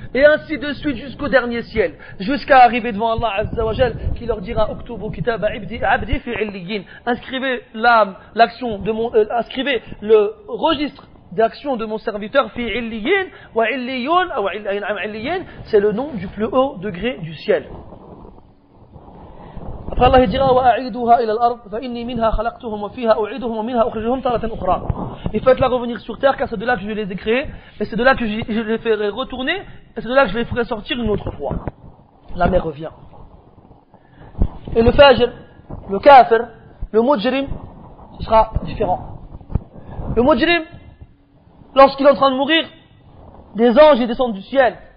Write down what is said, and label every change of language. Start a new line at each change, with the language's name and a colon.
French: Et ainsi de suite jusqu'au dernier ciel. Jusqu'à arriver devant Allah Azza wa Jal, qui leur dira,
Arabic: Uktubu kitab abdi fi illiyin.
French: Inscrivez l'âme, l'action de mon, inscrivez le registre d'action de mon serviteur
Arabic: fi illiyin, wa illiyun, wa illiyin,
French: c'est le nom du plus haut degré du ciel.
Arabic: فالله يجرى وأعيدها إلى الأرض فإني منها خلقتهم وفيها أعيدهم ومنها أخرجهم طارة أخرى.
French: Et faites-la revenir sur terre, car c'est de là que je les ai créés, et c'est de là que je les ferai retourner, et c'est de là que je les ferai sortir une autre fois. La mer revient. Et le fajr, le kafir, le mujrim, ce sera différent. Le mujrim, lorsqu'il est en train de mourir, des anges descendent du ciel.